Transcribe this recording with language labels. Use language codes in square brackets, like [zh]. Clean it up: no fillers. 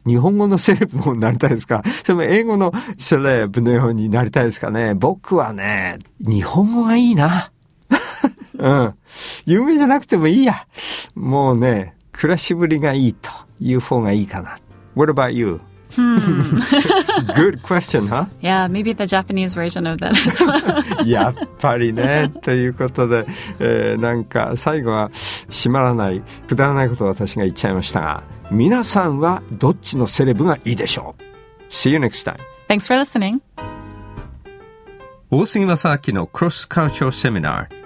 [ja] 日本語のセレブになりたいですか？それも英語のセレブのようになりたいですかね？僕はね、日本語がいいな。うん。有名じゃなくてもいいや。もうね、暮らしぶりがいいという方がいいかな。 [en] What about you? Good question, huh? Yeah, maybe the Japanese version of that as well. [ja] やっぱりね、ということで、なんか最後は締まらない、くだらないことを私が言っちゃいましたが、皆さんはどっちのセレブがいいでしょう。 [en] See you next time. Thanks for listening. [ja] 大杉正明のクロスカルチャーセミナー、